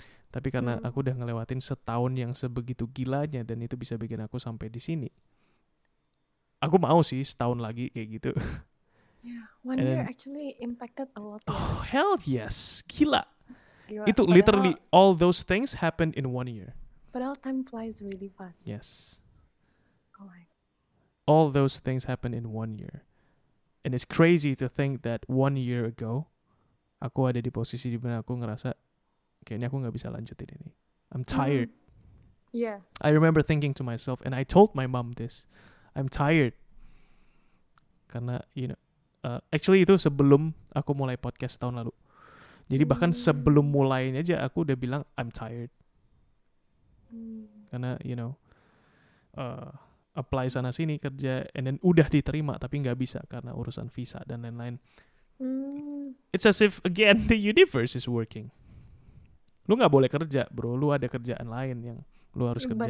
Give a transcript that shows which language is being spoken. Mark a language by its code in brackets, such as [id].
[id] Tapi karena aku udah ngelewatin setahun yang sebegitu gilanya dan itu bisa bikin aku sampai di sini. Aku mau sih setahun lagi kayak gitu. [en] Yeah, one and year actually impacted a lot. Oh, hell yes. Gila. [id] Itu padahal, [en] literally all those things happened in one year. Padahal time flies really fast. Yes. Oh my. All those things happened in one year. And it's crazy to think that one year ago, [id] aku ada di posisi di mana aku ngerasa kayaknya aku gak bisa lanjutin ini. [en] I'm tired. Yeah. I remember thinking to myself, and I told my mom this. I'm tired. [id] Karena, you know, actually itu sebelum aku mulai podcast tahun lalu. Jadi bahkan sebelum mulainya aja, aku udah bilang, [en] I'm tired. [id] Karena, you know, apply sana-sini kerja, and then udah diterima, tapi gak bisa karena urusan visa dan lain-lain. [en] It's as if, again, the universe is working. [id] Lu gak boleh kerja, bro. Lu ada kerjaan lain yang lu harus kerjain.